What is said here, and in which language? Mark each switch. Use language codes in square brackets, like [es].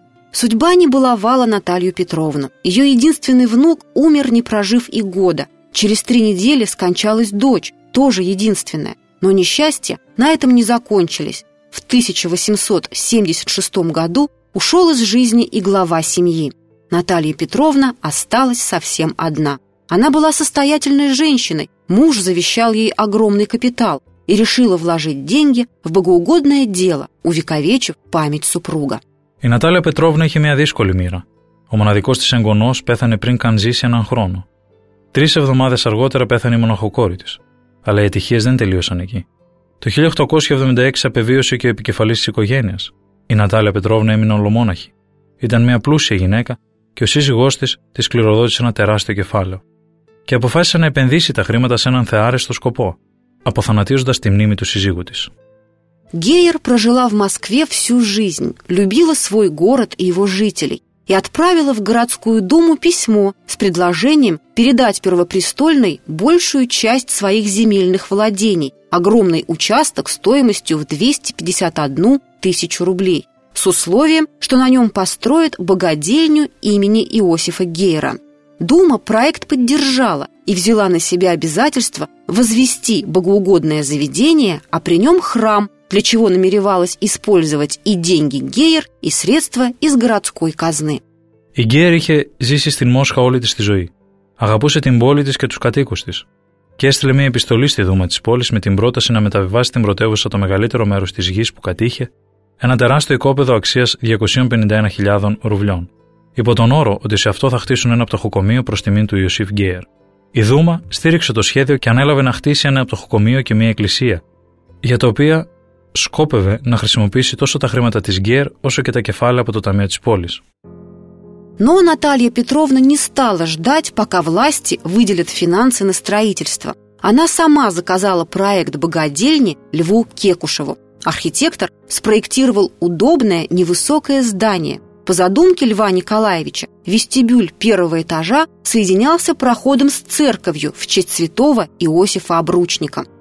[ru] Судьба не баловала Наталью Петровну. Ее единственный внук умер, не прожив и года. Через три недели скончалась дочь, тоже единственная. Но несчастья на этом не закончились. В 1876 году ушел из жизни и глава семьи. Наталья Петровна осталась совсем одна. Она была состоятельной женщиной, муж завещал ей огромный капитал и решила вложить деньги в богоугодное дело, увековечив память супруга. [el] Η Наталья Петровна είχε μια δύσκολη μοίρα. Ο μοναδικός της εγγονός πέθανε πριν καν ζήσει έναν χρόνο. Τρεις εβδομάδες αργότερα πέθανε η μοναχοκόρη της. Αλλά οι ατυχίες δεν τελείωσαν εκεί. Το 1876 απεβίωσε και ο επικεφαλής της οικογένειας. Η Νατάλια Πετρόβνα έμεινε ολομόναχη. Ήταν μια πλούσια γυναίκα και ο σύζυγός της τη σκληροδότησε ένα τεράστιο κεφάλαιο. Και αποφάσισε να επενδύσει τα χρήματα σε έναν θεάρεστο σκοπό, αποθανατίζοντας τη μνήμη του σύζυγου της. [ru] Гейер прожила в Москве всю жизнь, любила свой город и его жителей и отправила в городскую думу письмо с предложением передать первопрестольной большую часть своих земельных владений, огромный участок стоимостью в 251 тысячу рублей, с условием, что на нем построят богадельню имени Иосифа Гейера. Дума проект поддержала и взяла на себя обязательство возвести богоугодное заведение, а при нем храм, для чего намеревалась использовать и деньги Гейер, и средства из городской казны. [el] Η Γκέερ είχε ζήσει στην Μόσχα όλη της τη ζωή. Αγαπούσε την πόλη της και τους κατοίκους της. Και έστειλε μια επιστολή στη Δούμα της πόλης με την πρόταση να μεταβιβάσει την πρωτεύουσα το μεγαλύτερο μέρος της γης που κατήχε, ένα τεράστιο οικόπεδο αξίας 251.000 ρουβλιών, υπό τον όρο ότι σε αυτό θα χτίσουν ένα πτωχοκομείο προς τιμή του Ιωσήφ Γκέερ. Η Δούμα στήριξε το σχέδιο και ανέλαβε να χτίσει ένα πτωχοκομείο και μια εκκλησία, για τα οποία σκόπευε να χρησιμοποιήσει τόσο τα χρήματα της Γκέερ όσο και τα κεφάλαια από το ταμείο της πόλης. [ru] Но Наталья Петровна не стала ждать, пока власти выделят финансы на строительство. Она сама заказала проект богадельни Льву Кекушеву. Архитектор спроектировал удобное невысокое здание. По задумке Льва Николаевича, вестибюль первого этажа соединялся проходом с церковью в честь святого Иосифа Обручника.